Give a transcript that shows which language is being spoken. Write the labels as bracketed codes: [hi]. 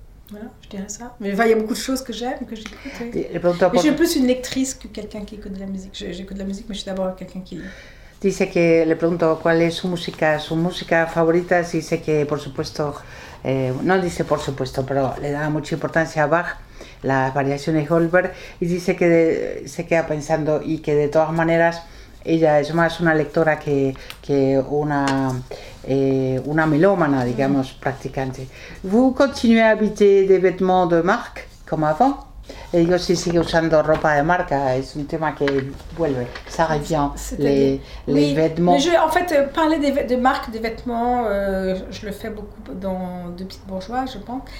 [fr] Voilà, je dirais ça. Mais enfin, il y a beaucoup de choses que j'aime, que j'écoute. Oui. Je suis plus une lectrice que quelqu'un qui écoute de la musique. J'écoute de la musique, mais je suis d'abord quelqu'un qui lit. [es] Dice que le pregunto cuál es su música favorita. Dice que, por supuesto, no dice por supuesto, pero le da mucha importancia a Bach, las variaciones Goldberg, y dice que se queda pensando, y que de todas maneras ella es más una lectora que una melómana, digamos, practicante. [fr] ¿Vous continuez à habiter des vêtements de marque, comme avant? [es] Le digo, si sigue usando ropa de marca, es un tema que vuelve, [fr] ça revient, les oui, vêtements. Mais en fait, parler de marque, de vêtements, je le fais beaucoup dans De Petites Bourgeois, je pense.